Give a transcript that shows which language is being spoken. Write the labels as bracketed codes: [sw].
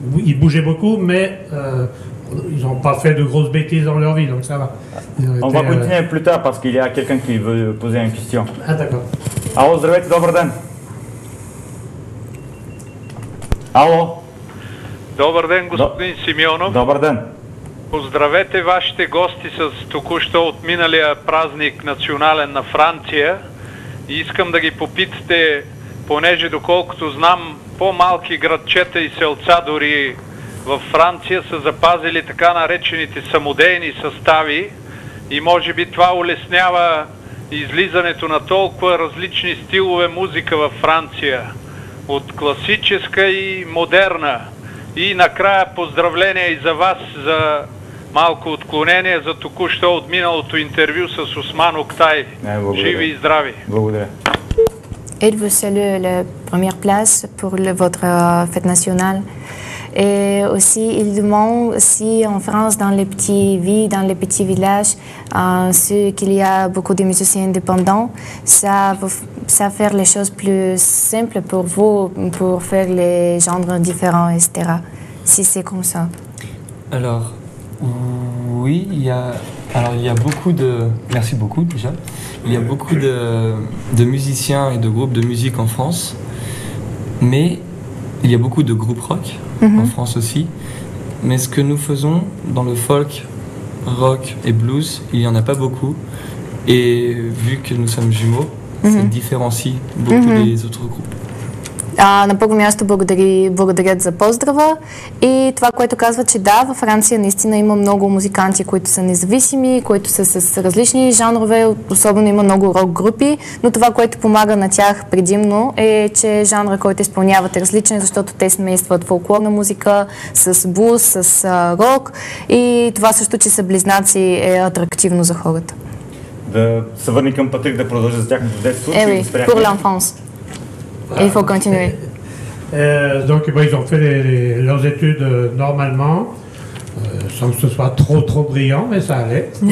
[fr] ils bougeaient beaucoup, mais ils n'ont pas fait de grosses bêtises dans leur vie, donc ça va. On va continuer plus tard, parce qu'il y a quelqu'un qui veut poser une question. Ah, d'accord. [bg] Alors, здравейте, добър ден! Ало! Добър ден, господин Симеонов. Добър ден. Поздравете вашите гости с току-що отминалия празник национален на Франция. И искам да ги попитате, понеже доколкото знам, по-малки градчета и селца дори във Франция са запазили така наречените самодейни състави и може би това улеснява излизането на толкова различни стилове музика във Франция. От класическа и модерна. И накрая поздравления и за вас за малко отклонение за току-що от миналото интервю с Осман Октай. Живи и здрави! Благодаря! Едва се ли е премьер плас по вътре фет национал? [fr] Et aussi, ils demandent si en France, dans les petites villes, dans les petits villages, qu'il y a beaucoup de musiciens indépendants, ça fait les choses plus simples pour vous, pour faire les genres différents, etc. Si c'est comme ça. Alors, oui, il y a beaucoup de... Merci beaucoup, déjà. Il y a beaucoup de musiciens et de groupes de musique en France, mais il y a beaucoup de groupes rock. Mm-hmm. En France aussi, mais ce que nous faisons dans le folk, rock et blues, il n'y en a pas beaucoup. Et vu que nous sommes jumeaux, mm-hmm. ça différencie beaucoup mm-hmm. les autres groupes. [bg] На първо място благодаря за поздрава и това, което казва, че да, във Франция наистина има много музиканти, които са независими, които са с различни жанрове, особено има много рок групи, но това, което помага на тях предимно е, че жанра, който изпълняват е различен, защото те смесват фолклорна музика с блуз, с рок и това също, че са близнаци, е атрактивно за хората. Да се върни към Патрик да продължа за тяхното детство. [fr] Еми, pour l'enfance. Il faut continuer. Donc, bon, ils ont fait leurs études normalement, sans que ce soit trop, trop brillant, mais ça allait.